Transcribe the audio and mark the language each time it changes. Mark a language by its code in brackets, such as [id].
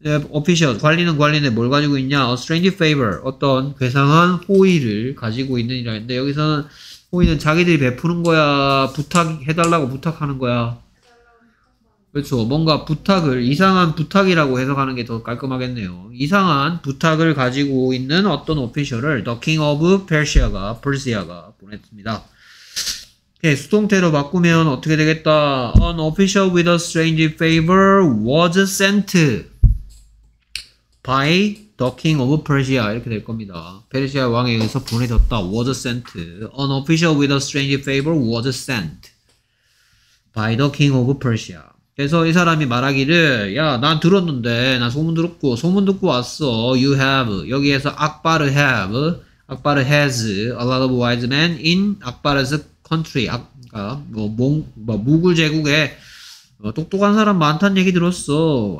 [ko] official 관리는 관리인데 뭘 가지고 있냐? [en] A strange favor [ko] 어떤 괴상한 호의를 가지고 있는 이라 했는데 여기서는 호의는 자기들이 베푸는 거야, 부탁해달라고 부탁하는 거야. 그렇죠. 뭔가 부탁을 이상한 부탁이라고 해석하는 게 더 깔끔하겠네요. 이상한 부탁을 가지고 있는 어떤 오피셜을 The King of Persia가 보냈습니다. 오케이, 수동태로 바꾸면 어떻게 되겠다? [en] An official with a strange favor was sent by The King of Persia [ko] 이렇게 될 겁니다. 페르시아 왕에 의해서 보내졌다. [en] Was sent. An official with a strange favor was sent by the King of Persia. [ko] 그래서 이 사람이 말하기를, 야, 난 들었는데, 나 소문 들었고, 소문 듣고 왔어. [en] You have. [ko] 여기에서 [en] 악바르 have, 악바르 has a lot of wise men in 악바르's country. [ko] 아까 뭐 무굴 제국에 똑똑한 사람 많단 얘기 들었어.